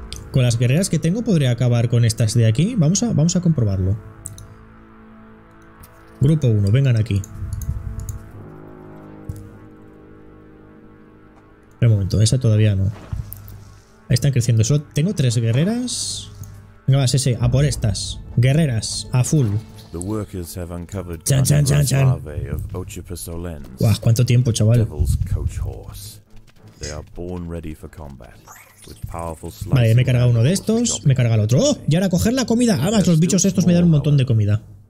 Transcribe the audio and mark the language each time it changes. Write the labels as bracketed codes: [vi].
[es] Con las guerreras que tengo podré acabar con estas de aquí. Vamos a comprobarlo. Grupo 1, vengan aquí. Espera un momento, esa todavía no. Ahí están creciendo. Solo tengo 3 guerreras. Venga, sí, sí, a por estas. Guerreras, a full. [en] The workers have uncovered the larvae of Ochipus Olens. [es] Wow, ¿cuánto tiempo, chaval? [en] Devil's coach horse. They are born ready for combat. [es] Vale, me he cargado uno de estos, me he cargado el otro. ¡Oh! Y ahora a coger la comida. Ah, más los bichos estos me dan un montón de comida.